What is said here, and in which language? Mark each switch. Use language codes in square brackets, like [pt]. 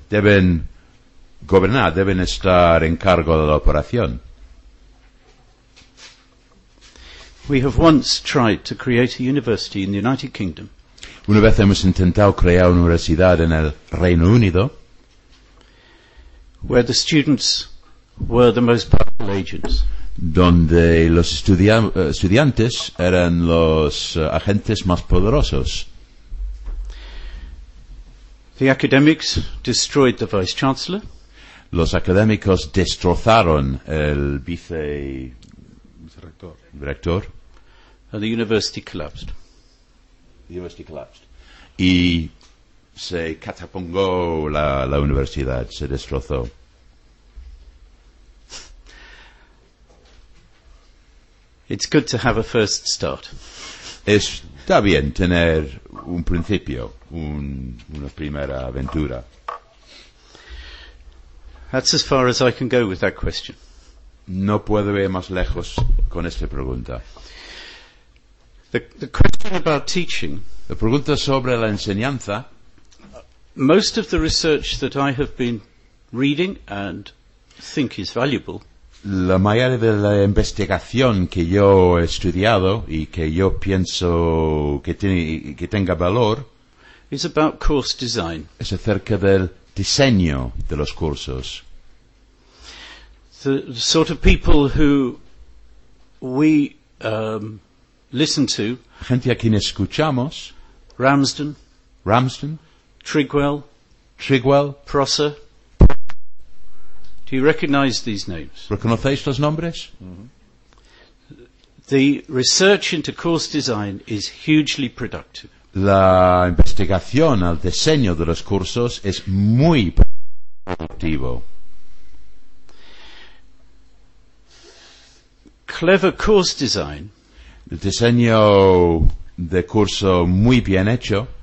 [es] Deben gobernar, deben estar en cargo de la operación. [en] We have once tried to create a university in the United Kingdom. [es] Una vez hemos intentado crear una universidad en el Reino Unido, [en] where the students were the most powerful agents. [es] Donde los estudiantes eran los agentes más poderosos. [en] The academics destroyed the vice chancellor. [es] Los académicos destrozaron el vicerector. [en] And the university collapsed. The university collapsed. [es] Y se catapongó la universidad, se destrozó. [en] It's good to have a first start. [es] Está bien tener un principio, una primera aventura. [en] That's as far as I can go with that question. [es] No puedo ir más lejos con esta pregunta. [en] The question about teaching. [es] La pregunta sobre la enseñanza. [en] Most of the research that I have been reading and think is valuable. [es] La mayoría de la investigación que yo he estudiado y que yo pienso que tenga valor [en] is about course design. [es] Es acerca del diseño de los cursos. [en] The sort of people who we listen to, [es] gente a quien escuchamos, Ramsden, Trigwell, Prosser. [en] Do you recognize these names? [es] ¿Reconocéis los nombres? [en] The research into course design is hugely productive. [es] La investigación al diseño de los cursos es muy productivo. [en] Clever course design. [es] El diseño de curso muy bien hecho.